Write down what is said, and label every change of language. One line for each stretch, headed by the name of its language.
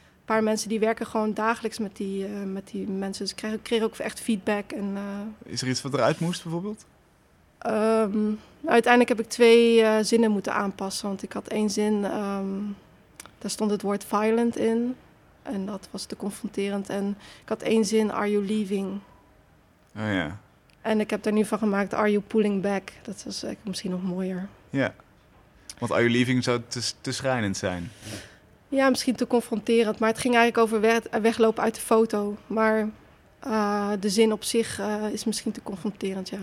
Dutch: paar mensen die werken gewoon dagelijks met die mensen. Dus ik kreeg ook echt feedback. Is er iets wat eruit moest bijvoorbeeld? Uiteindelijk heb ik twee zinnen moeten aanpassen. Want ik had één zin, daar stond het woord violent in. En dat was te confronterend. En ik had één zin,
English: are you leaving?
Dutch: Oh ja. En ik heb daar nu van gemaakt,
English: are you pulling back?
Dutch: Dat was eigenlijk misschien nog mooier. Ja, want
English: are you leaving
Dutch: zou te schrijnend zijn. Ja, misschien te confronterend. Maar het ging eigenlijk over weglopen uit de foto. Maar de zin op zich is misschien te confronterend, ja.